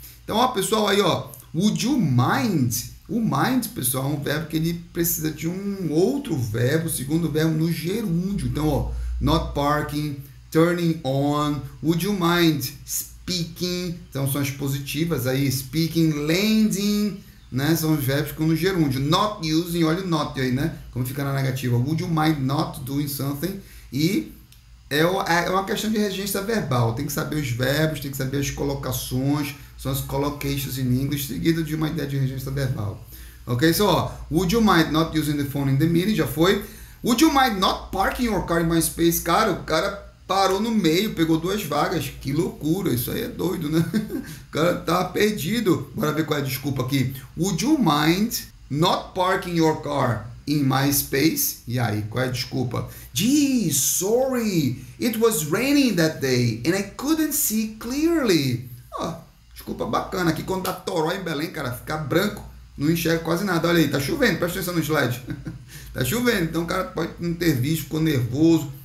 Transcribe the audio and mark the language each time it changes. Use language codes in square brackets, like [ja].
[pt] Então, ó, pessoal, aí, ó, [en] would you mind? [pt] O mind, pessoal, é um verbo que ele precisa de um outro verbo, segundo verbo, no gerúndio. Então, ó, [en] not parking, turning on, would you mind speaking? [pt] Então, são as positivas aí, speaking, lending, né? São os verbos com no gerúndio. Not using, olha o not aí, né? Como fica na negativa. [en] Would you mind not doing something? [pt] E é uma questão de regência verbal. Tem que saber os verbos, tem que saber as colocações. São as collocations in English, seguido de uma ideia de regência verbal. [en] Ok, so, would you mind not using the phone in the meeting? [pt] Já foi. [en] Would you mind not parking your car in my space? [pt] Cara, o cara parou no meio, pegou duas vagas. Que loucura, isso aí é doido, né? O cara tá perdido. Bora ver qual é a desculpa aqui. [en] Would you mind not parking your car in my space? [pt] E aí, qual é a desculpa? [en] Gee, sorry, it was raining that day and I couldn't see clearly. [pt] Oh, desculpa bacana. Aqui quando dá toró em Belém, cara, fica branco, não enxerga quase nada. Olha aí, tá chovendo, presta atenção no slide. Tá chovendo, então o cara pode não ter visto, ficou nervoso.